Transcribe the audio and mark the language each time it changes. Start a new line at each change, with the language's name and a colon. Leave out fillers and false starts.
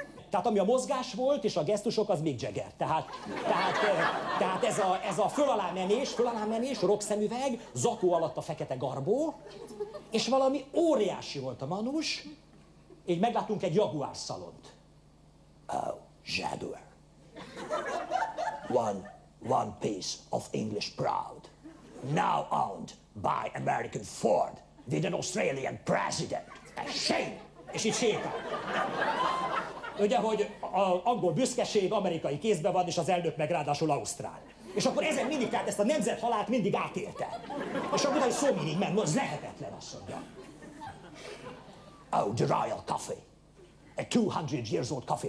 Hungarian: Tehát ami a mozgás volt és a gesztusok, az Mick Jagger. Tehát ez a föl-alá menés, rockszemüveg, zakó alatt a fekete garbó, és valami óriási volt a manus, így meglátunk egy Jaguar szalont.
English: Oh, Jaguar. One piece of English proud, now owned by American Ford, with an Australian president. A shame!
Hungarian: És így sétál. Ugye, hogy az angol büszkeség amerikai kézben van, és az elnök meg ráadásul ausztrál. És akkor ezen mindig, tehát ezt a nemzethalált mindig átélte. És akkor egy szó mindig ment, az lehetetlen, azt mondja.
English: Oh, the Royal Coffee. A 200 years old café.